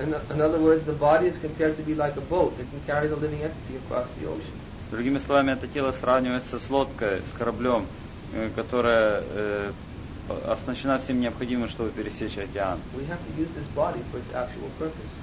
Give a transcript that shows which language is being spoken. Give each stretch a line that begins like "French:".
English: In other words, the body is compared to be like a boat that can carry the living entity across the ocean.
Russian: Другими словами, это тело сравнивается с лодкой, с кораблем, которая оснащена всем необходимым, чтобы пересечь океан.
English: We have to use this body for its actual purpose.